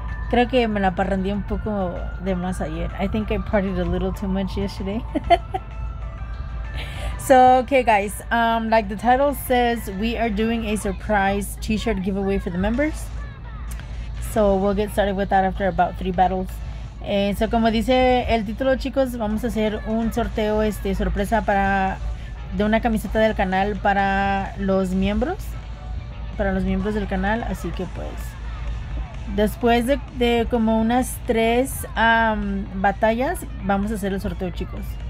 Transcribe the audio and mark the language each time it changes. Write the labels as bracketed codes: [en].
[es] Creo que me la parrandí un poco de más ayer. [en] I think I partied a little too much yesterday. So, okay, guys, like the title says, we are doing a surprise t-shirt giveaway for the members. So, we'll get started with that after about 3 battles. [es] So, como dice el título, chicos, vamos a hacer un sorteo, sorpresa para, de una camiseta del canal para los miembros. Para los miembros del canal, así que pues, después de como unas 3 batallas, vamos a hacer el sorteo, chicos.